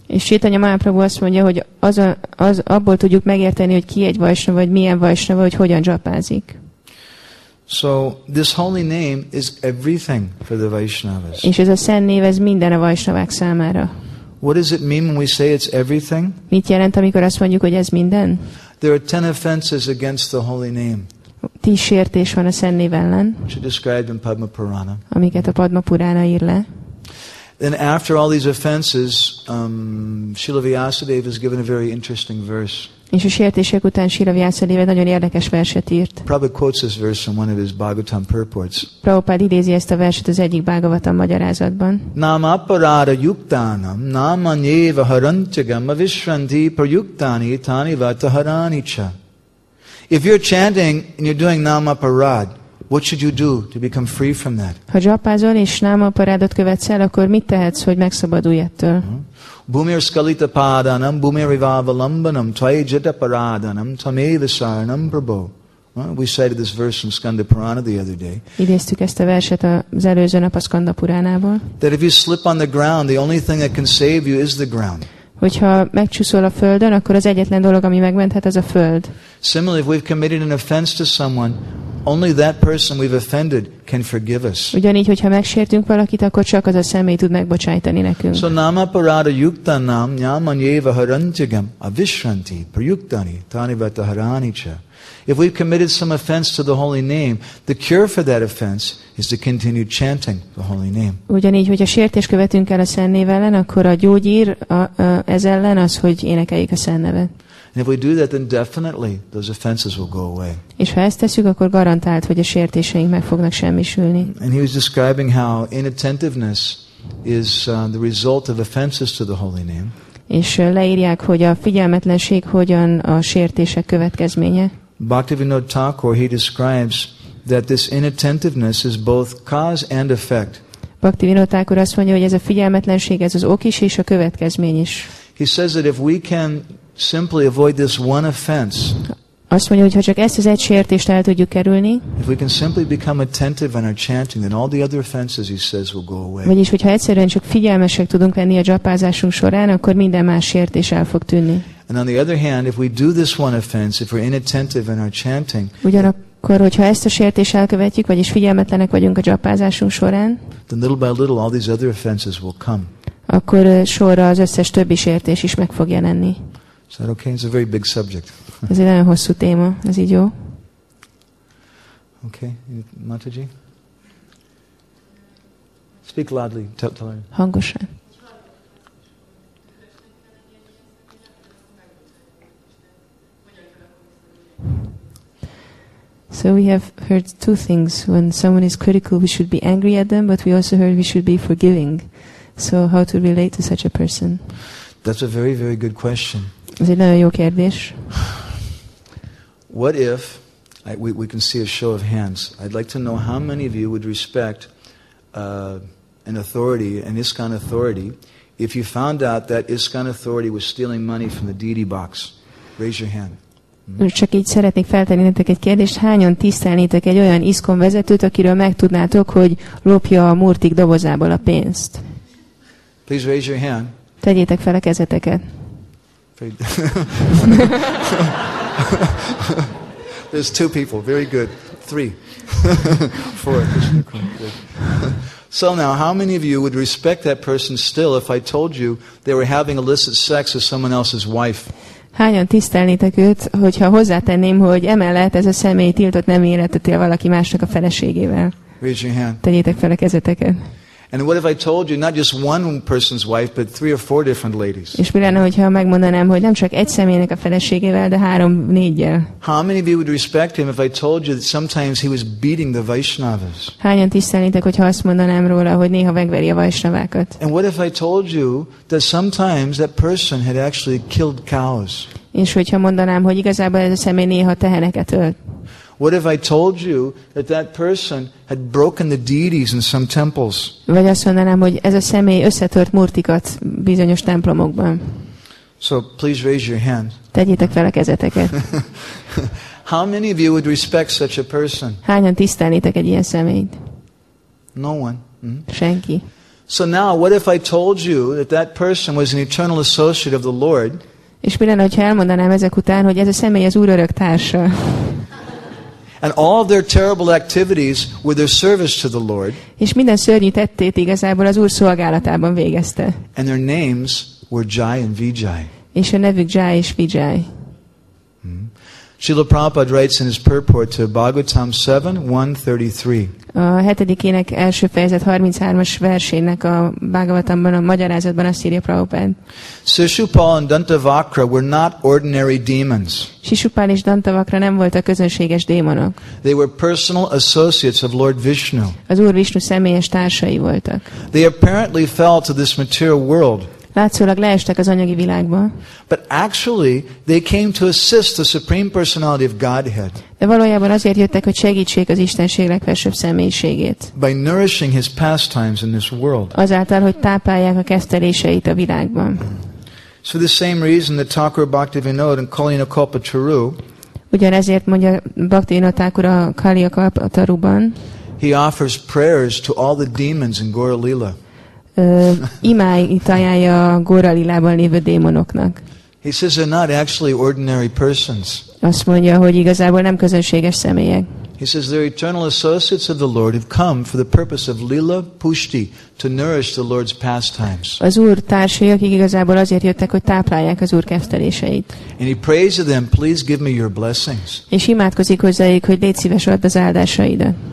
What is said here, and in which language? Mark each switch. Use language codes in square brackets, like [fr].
[hu] És Chaitanya Mahaprabhu azt mondja, hogy az abból tudjuk megérteni, hogy ki egy Vaishnava, vagy milyen Vaishnava, hogy hogyan dzsapázik. [en] So this holy name is everything for the Vaishnavas. [hu] És ez a szent név, ez minden a Vaishnavák számára. [en] What does it mean when we say it's everything? [hu] Mit jelent, amikor azt mondjuk, hogy ez minden? [en] There are 10 offenses against the holy name. [hu] 10 sértés van a szent név ellen. [en] She described in Padma Purana. [hu] Amiket a Padma Purana ír le. [en] Then after all these offenses, Srila Vyasadeva is given a very interesting verse. [hu] És a sértések után Srila Vyasadeva nagyon érdekes verset írt. [en] Prabhupada quotes this verse in one of his Bhagavatam purports. [hu] Prabhupada idézi ezt a verset az egyik Bhagavatam magyarázatban. [sa] Nam aparara yuktanam, nam anyeva harantyagam, avishranti prayuktani, tani vataharani cha. [en] If you're chanting and you're doing nama parad, what should you do to become free from that? [hu] Ha dzsapázol és nama paradot követsz el, akkor mit tehetsz, hogy megszabadulj ettől? [sa] Bhumir skalita padanam, bhumir ivavalambanam, tvajjata paradanam, tameva saranam prabho. [en] We cited this verse from Skanda Purana the other day. [hu] Idéztük ezt a verset az előző nap a Skanda Puránából. [en] That if you slip on the ground, the only thing that can save you is the ground. [hu] Hogyha megcsúszol a földön, akkor az egyetlen dolog, ami megmenthet, az a föld. [en] Similarly, if we've committed an offense to someone, only that person we've offended can forgive us. [hu] Ugyanígy, hogyha megsértünk valakit, akkor csak az a személy tud megbocsájtani nekünk. [sa] So nama parada yuktanam nyamanyeva harantyagam avishranti prayuktani tanivata harani cha. [en] If we've committed some offense to the holy name, the cure for that offense is to continue chanting the holy name. [hu] Ugyanígy, hogy a sértés követünk el a szent név ellen, akkor a gyógyír ez ellen az, hogy énekeljük a szent nevet. [en] And if we do that, then definitely those offenses will go away. [hu] És ha ezt tesszük, akkor garantált, hogy a sértéseink meg fognak semmisülni. [en] And he was describing how inattentiveness is the result of offenses to the holy name. [hu] És leírják, hogy a figyelmetlenség hogyan a sértések következménye. [en] Bhaktivinoda Thakur, he describes that this inattentiveness is both cause and effect. [hu] Bhaktivinoda Thakur azt mondja, hogy ez a figyelmetlenség, ez az ok is és a következmény is. [en] He says that if we can simply avoid this one offense. [hu] Azt mondja, hogy ha csak ezt az egy sértést el tudjuk kerülni. [en] If we can simply become attentive in our chanting, then all the other offenses, he says, will go away. [hu] Vagyis, hogyha egyszerűen csak figyelmesek tudunk lenni a dzsapázásunk során, akkor minden más sértés el fog tűnni. [en] And on the other hand, if we do this one offense, if we're inattentive in our chanting. [hu] Ugyanakkor, hogyha ezt a sértést elkövetjük, vagyis figyelmetlenek vagyunk a dzsapázásunk során. [en] Then little by little, all these other offenses will come. [hu] Akkor sorra az összes többi sértés is meg fog jelenni. [en] Is that okay? It's a very big subject. [hu] Ez egy nagyon hosszú téma. Ez így jó. [en] Okay, Mataji. Speak loudly. Tell [hu] hangosan. [en] So we have heard two things. When someone is critical, we should be angry at them, but we also heard we should be forgiving. So how to relate to such a person? That's a very, very good question. [hu] Ez egy nagyon jó kérdés. [en] What if, we can see a show of hands. I'd like to know how many of you would respect an authority, an ISKCON authority, if you found out that ISKCON authority was stealing money from the DD box. Raise your hand. [hu] Csak így szeretnék feltenni nektek egy kérdést. Hányan tisztelnétek egy olyan ISKCON vezetőt, akiről megtudnátok, hogy lopja a murtik dobozából a pénzt? [en] Please raise your hand. [hu] Tegyétek fel a kezeteket. [en] There's two people. Very good. Three. Four. So now, how many of you would respect that person still if I told you they were having illicit sex with someone else's wife? [hu] Hányan tisztelnétek őt, hogyha hozzátenném, hogy emellett ez a személy tiltott nem életet él valaki másnak a feleségével? [en] Raise your hand. [hu] Tegyétek fel a kezeteket. [en] And what if I told you not just one person's wife, but three or four different ladies? [hu] És mi lenne, hogyha megmondanám, hogy nem csak egy személynek a feleségével, de három, négyel? [en] How many of you would respect him if I told you that sometimes he was beating the Vaishnavas? [hu] Hányan tisztelnétek, hogyha azt mondanám róla, hogy néha megveri a Vaishnavákat? [en] And what if I told you that sometimes that person had actually killed cows? [hu] És hogyha mondanám, hogy igazából ez a személy néha teheneket ölt? [en] What if I told you that that person had broken the deities in some temples? [hu] Vagy azt mondanám, hogy ez a személy összetört murtikat bizonyos templomokban. [en] So please raise your hand. [hu] Tegyétek fel a kezeteket. [en] How many of you would respect such a person? [hu] Hányan tisztelnétek egy ilyen személyt? [en] No one. [hu] Senki. [en] So now, what if I told you that that person was an eternal associate of the Lord? [hu] És mi lenne, hogyha elmondanám ezek után, hogy ez a személy az Úrörök társa? [en] And all their terrible activities were their service to the Lord. [hu] És minden szörnyű tettét igazából az Úr szolgálatában végezte. [en] And their names were Jai and Vijay. [hu] És a nevük Jai és Vijay. [en] Srila Prabhupada writes in his purport to Bhagavatam 7:133. [hu] A hetedik ének első fejezet 33-as versének a Bhagavatamban, a magyarázatban azt írja Prabhupada. [en] Sishupal and Dantavakra were not ordinary demons. [hu] Sishupal és Dantavakra nem voltak közönséges démonok. [en] They were personal associates of Lord Vishnu. [hu] Az Úr Vishnu személyes társai voltak. [en] They apparently fell to this material world. [hu] Látszólag leestek az anyagi világba. [en] But actually, they came to assist the Supreme Personality of Godhead. [hu] De valójában azért jöttek, hogy segítsék az Istenség legfelsőbb személyiségét. [en] By nourishing his pastimes in this world. [hu] Azáltal, hogy táplálják a keszteléseit a világban. [en] So the same reason that Thakura Bhaktivinoda and Kalina Kalpa Taru. [hu] Ugyanezért mondja Bhaktivinoda Thakura Kalina Kalpa Taruban. [en] He offers prayers to all the demons in Gaura Lila. [hu] Imáit ajánlja a Góralilában lévő démonoknak. [en] He says they're not actually ordinary persons. [hu] Azt mondja, hogy igazából nem közönséges személyek. [en] He says they're eternal associates of the Lord who've come for the purpose of lila pushti, to nourish the Lord's pastimes. [hu] Az Úr társai, akik igazából azért jöttek, hogy táplálják az Úr kefteléseit. [en] And he prays to them, please give me your blessings. [hu] És imádkozik hozzájuk, hogy légy szíves, add az áldásaidat.